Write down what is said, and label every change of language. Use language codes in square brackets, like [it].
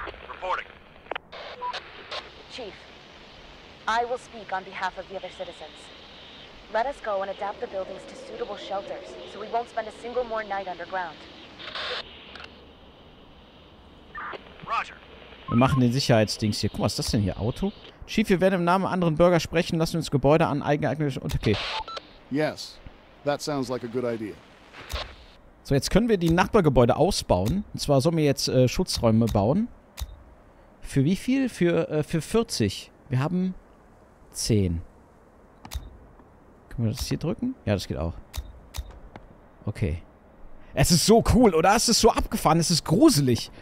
[en] Reporting. Chief, I will speak on behalf of the other citizens. Let us go and adapt the buildings to suitable shelters, so we won't spend a single more night underground. Roger. [de] Wir machen den Sicherheitsdings hier. Guck mal, was ist das denn hier? Auto? Chief, wir werden im Namen anderen Bürger sprechen. Lassen wir uns Gebäude an eigeneignetisch untergehen. [en] Yes, that sounds like a good idea. [de] So, jetzt können wir die Nachbargebäude ausbauen. Und zwar sollen wir jetzt Schutzräume bauen. Für wie viel? Für 40. Wir haben 10. Können wir das hier drücken? Ja, das geht auch. Okay. Es ist so cool, oder? Es ist so abgefahren. Es ist gruselig.